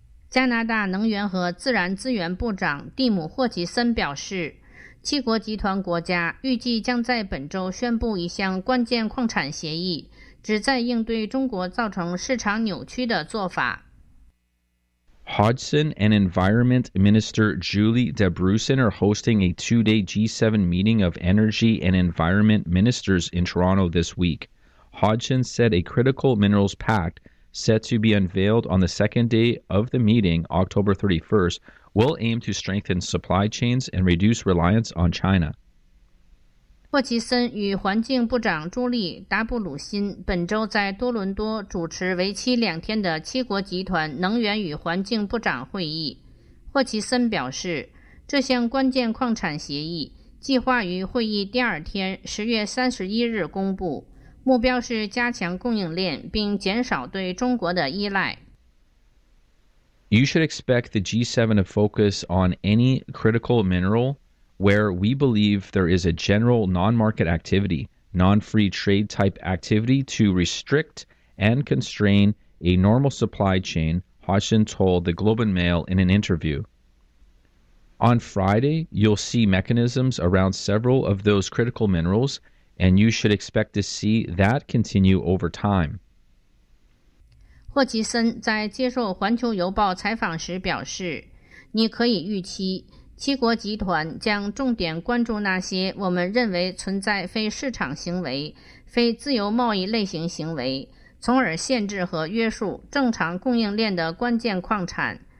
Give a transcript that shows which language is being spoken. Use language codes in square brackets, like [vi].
[zh] 加拿大能源和自然资源部长蒂姆·霍奇森表示，七国集团国家预计将在本周宣布一项关键矿产协议，旨在应对中国造成市场扭曲的做法。 [en] Hodgson and Environment Minister Julie Debrusen are hosting a two-day G7 meeting of energy and environment ministers in Toronto this week. Hodgson said a critical minerals pact, set to be unveiled on the second day of the meeting, October 31st, will aim to strengthen supply chains and reduce reliance on China. [zh] 霍奇森与环境部长朱莉·达布鲁辛本周在多伦多主持为期两天的七国集团能源与环境部长会议。霍奇森表示，这项关键矿产协议计划于会议第二天10月31日公布，目标是加强供应链并减少对中国的依赖。 [en] You should expect the G7 to focus on any critical mineral where we believe there is a general non-market activity, non-free trade type activity to restrict and constrain a normal supply chain, Hodgson told the Globe and Mail in an interview. On Friday, you'll see mechanisms around several of those critical minerals, and you should expect to see that continue over time. [zh] 霍奇森在接受《环球邮报》采访时表示，你可以预期七国集团将重点关注那些我们认为存在非市场行为、非自由贸易类型行为，从而限制和约束正常供应链的关键矿产。